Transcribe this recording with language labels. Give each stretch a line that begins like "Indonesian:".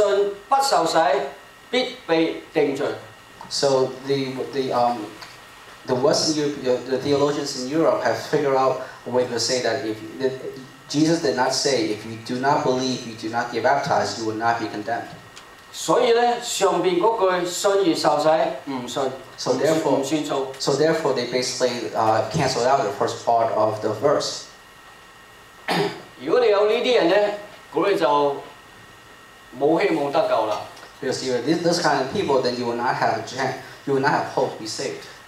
Cantonese: 歐洲神學家咧就發明耶穌冇話不信不受洗必被定罪。
English: So the Western Europe, the theologians in Europe have figured out a way to say that if Jesus did not say, if you do not believe, you do not get baptized, you will not be condemned.
Cantonese: 所以咧，上邊嗰句信而受洗唔信。
English: So therefore,
Cantonese: 不算數。
English: So therefore, they basically cancelled out the first part of the verse.
Cantonese: 如果你有呢啲人咧，咁你就冇希望得救啦。
English: Because if you're this kind of people, then you will not have a chance. You will not have hope to be saved.